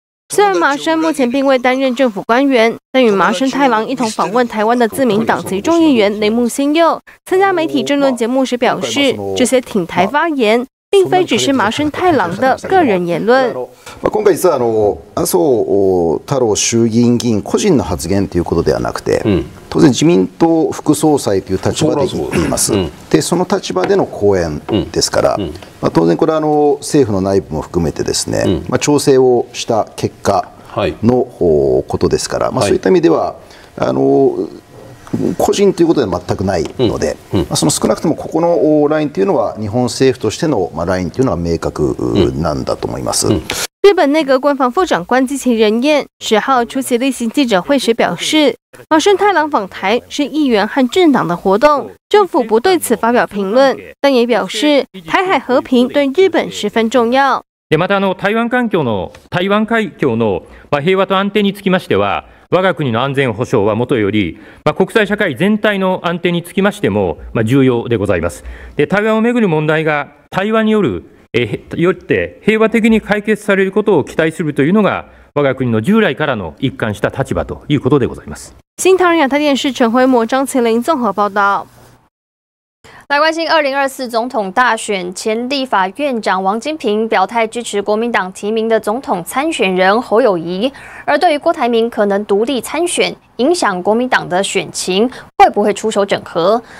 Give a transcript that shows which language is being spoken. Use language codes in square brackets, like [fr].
[zh] 虽然麻生目前并未担任政府官员，但与麻生太郎一同访问台湾的自民党籍众议员铃木新佑参加媒体政论节目时表示，这些挺台发言并非只是麻生太郎的个人言论。 [ja] 今回実は麻生太郎衆議院議員個人の発言ということではなくて、当然自民党副総裁という立場で言います。でその立場での講演ですから、まあ、当然これは政府の内部も含めてですね、まあ、調整をした結果のことですから、まあ、そういった意味では、はい、個人ということでは全くないので、うんうん、まあ、その少なくともここのラインというのは日本政府としてのラインというのは明確なんだと思います、うん、 [zh] 日本内閣官房副長官矢田仁彦10号出席例行记者会时表示，麻生太郎访台是议员和政党的活动，政府不对此发表评论，但也表示台海和平对日本十分重要。 [ja] また台湾海峡の平和と安定につきましては我が国の安全保障はもとより、まあ、国際社会全体の安定につきましても、まあ、重要でございます。で、台湾をめぐる問題が対話による、よって平和的に解決されることを期待するというのが我が国の従来からの一貫した立場ということでございます。 [zh] 新唐人亚太电视陈辉模张麒麟综合报道。来关心2024总统大选，前立法院长王金平表态支持国民党提名的总统参选人侯友宜，而对于郭台铭可能独立参选影响国民党的选情，会不会出手整合？